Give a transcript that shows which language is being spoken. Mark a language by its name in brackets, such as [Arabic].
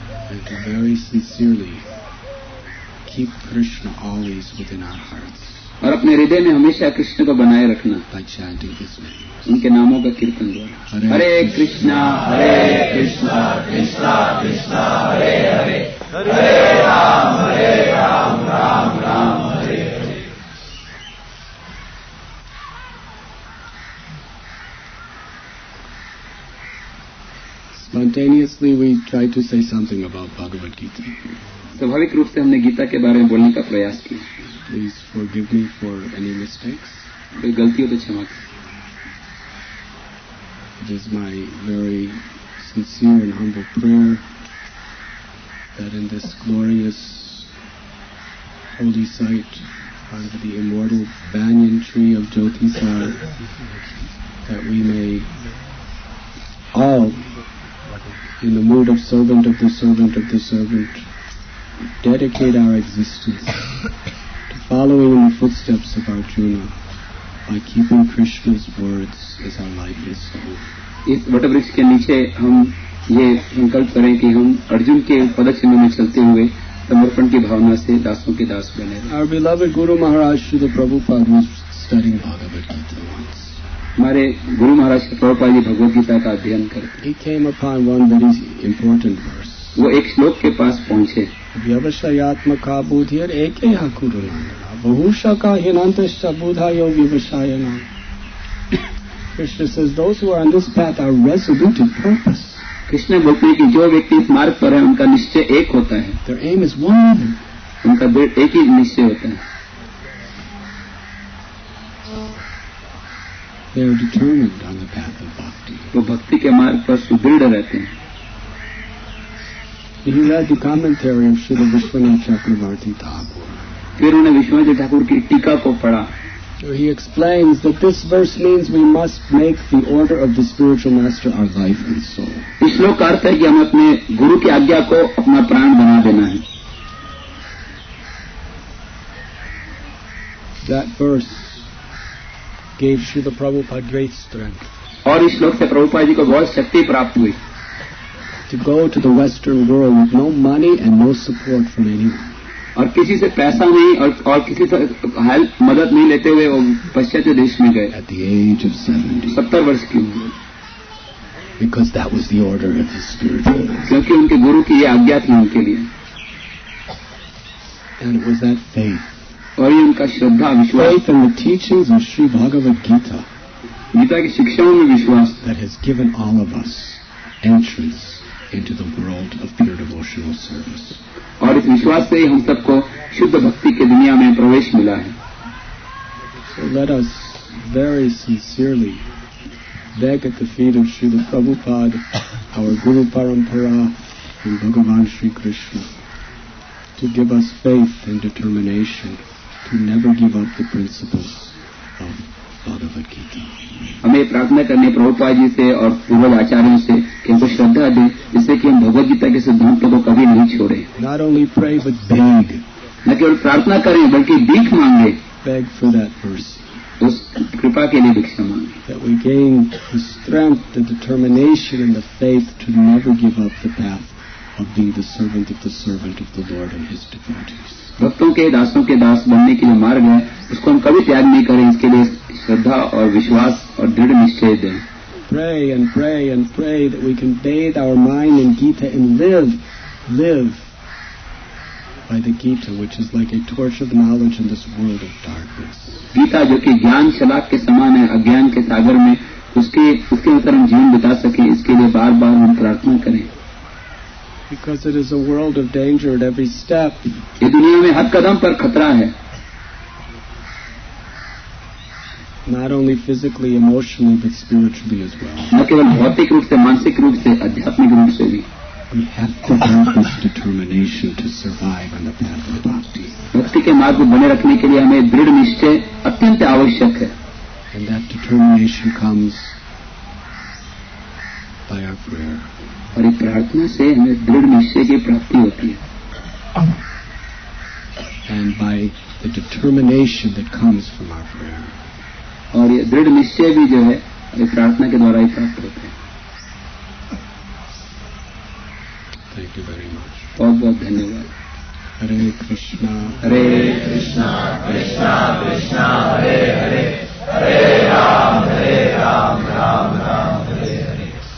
[English] And to very sincerely keep Krishna always within our hearts. [Hindi] और अपने हृदय में हमेशा कृष्ण को बनाए रखना. [English] By chanting his name. [Hindi] उनके नामों का कीर्तन द्वारा. [Sanskrit] हरे कृष्णा हरे Krishna Krishna Krishna Hare Hare Hare Ram Ram Ram Hare Hare. [English] obviously we try to say something about Bhagavad Gita. [Hindi] स्वाभाविक रूप से हमने गीता के बारे में बोलने का प्रयास किया. [English] Please forgive me for any mistakes. [Hindi] कोई गलतियों पे क्षमा करें. [English] It is my very sincere and humble prayer that in this glorious holy site under the immortal banyan tree of Jyotisar that we may all, in the mood of servant of the servant of the servant, dedicate our existence to following in the footsteps of Arjuna by keeping Krishna's words as our life is soul. [Hindi] इस वटवृक्ष के नीचे हम ये संकल्प करें कि हम अर्जुन के पदचिन्ह में चलते हुए समर्पण की भावना से दासों के दास बने. [English] Our beloved Guru Maharaj Srila Prabhupada was studying Bhagavad Gita once. [Hindi] हमारे गुरु महाराज प्रभुपाद जी भगवद गीता का अध्ययन करते. [English] He came upon one very important verse. [Hindi] वो एक श्लोक के पास पहुंचे. [Sanskrit] व्यवसायत्म का बुधियर एक गुरु बहुशा का हिनांत बुधा यो व्यवसाय. [English] Krishna says those who are on this path are resolute in purpose. [Hindi] Krishna बोलते हैं कि जो व्यक्ति इस मार्ग पर है उनका निश्चय एक होता है. [English] Their aim is one. [Hindi] उनका एक ही निश्चय होता है. [English] They are determined on the path of bhakti. [Hindi] वो भक्ति के मार्ग पर सुदृढ़ रहते हैं. [English] He read the commentary of Srila Vishwanatha Chakravarti Thakur. [Hindi] फिर उन्होंने विश्वनाथ ठाकुर की टीका को पढ़ा. [English] So he explains that this verse means we must make the order of the spiritual master our life and soul. [Hindi] इस श्लोक का अर्थ है कि हम अपने गुरु की आज्ञा को अपना प्राण बना देना है. [English] That verse gave Srila Prabhupada great strength. [Hindi] और इस श्लोक से प्रभुपाद जी को बहुत शक्ति प्राप्त हुई. [English] To go to the western world with no money and no support from anyone. [Hindi] और किसी से पैसा नहीं और किसी से हेल्प मदद नहीं लेते हुए वो पश्चात्य देश में गए. [English] At the age of 70. [Hindi] 70 वर्ष की उम्र. [English] Because that was the order of his spiritual master. [Hindi] क्योंकि उनके गुरु की ये आज्ञा थी उनके लिए. [English] And it was that faith. [Hindi] और ये उनका श्रद्धा विश्वास. [English] Faith in the teachings of Sri Bhagavad Gita. [Hindi] Gita की शिक्षाओं में विश्वास. [English] That has given all of us entrance into the world of pure devotional service. [Hindi] और इस विश्वास से ही हम सबको शुद्ध भक्ति के दुनिया में प्रवेश मिला है. [English] So let us very sincerely beg at the feet of Srila Prabhupada, our Guru Parampara, and Bhagavan Sri Krishna, to give us faith and determination to never give up the principles of Bhagavad Gita. [Hindi] हमें प्रार्थना करनी प्रभुपाद जी से और पूर्व आचार्यों से कि हमको श्रद्धा दें जिससे कि हम भगवद गीता के सिद्धांतों को कभी नहीं छोड़े. [English] Not only pray but beg. [Hindi] न केवल प्रार्थना करें बल्कि भीख मांगे. [English] Beg for that verse. [Hindi] उस कृपा के लिए भिक्षा मांगे. [English] That we gain the strength the determination and the faith to never give up the path of being the servant of the servant of the Lord and his devotees. [Hindi] भक्तों के दासों के दास बनने के लिए मार्ग है उसको हम कभी त्याग नहीं करें. इसके लिए श्रद्धा और विश्वास और दृढ़ निश्चय दें. [English] Pray and pray and pray that we can bathe our mind in Gita and live by the Gita, which is like a torch of knowledge in this world of darkness. [Hindi] Gita, जो कि ज्ञान शलाक के समान है अज्ञान के सागर में, उसके अंदर हम जीवन बिता सके इसके लिए बार बार हम प्रार्थना करें. [English] Because it is a world of danger at every step. [Hindi] ये दुनिया में हर कदम पर खतरा है. [English] Not only physically, emotionally, but spiritually as well. Not [Hindi] केवल भौतिक रूप से, मानसिक रूप से, आध्यात्मिक रूप से भी. [English] We have to have this determination to survive on the path of bhakti. [Hindi] भक्ति के मार्ग को बने रखने के लिए हमें दृढ़ निश्चय अत्यंत आवश्यक है. [English] And that determination comes by our prayer. [Hindi] और ये प्रार्थना से हमें दृढ़ निश्चय की प्राप्ति होती है. [English] And by the determination that comes from our prayer. [Hindi] और ये दृढ़ निश्चय भी जो है ये प्रार्थना के द्वारा ही प्राप्त होते हैं. [English] Thank you very much. [Hindi] बहुत बहुत धन्यवाद. [Sanskrit] हरे कृष्णा कृष्णा कृष्णा हरे हरे, हरे राम राम राम हरे हरे.